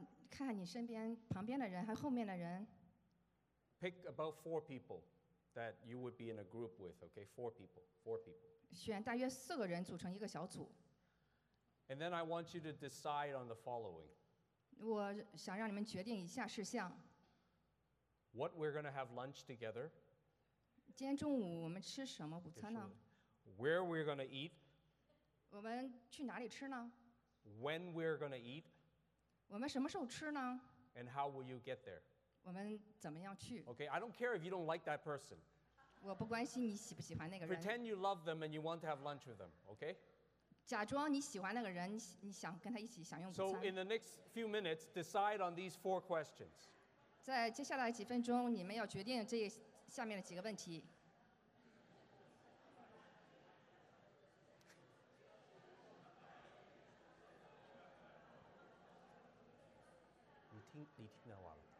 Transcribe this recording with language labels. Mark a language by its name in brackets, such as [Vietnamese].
[Chinese] 看你身边旁边的人还后面的人。 [English] Pick about 4 people that you would be in a group with, okay? 4 people. [Chinese] 选大约四个人组成一个小组。 [English] And then I want you to decide on the following. [Chinese] 我想让你们决定以下事项。 [English] What we're going to have lunch together. [Chinese] 今天中午我们吃什么午餐呢？ [English] Where we're going to eat. [Chinese] 我们去哪里吃呢？ [English] When we're going to eat. [Chinese] 我们什么时候吃呢？ [English] And how will you get there? [Chinese] 我们怎么样去？ [English] Okay, I don't care if you don't like that person. [Chinese] 我不关心你喜不喜欢那个人。 [English] Pretend you love them and you want to have lunch with them, okay? [Chinese] 假装你喜欢那个人，你想跟他一起享用午餐。 [English] So in the next few minutes, decide on these 4 questions. [Chinese] 在接下来几分钟，你们要决定这下面的几个问题。你听到了。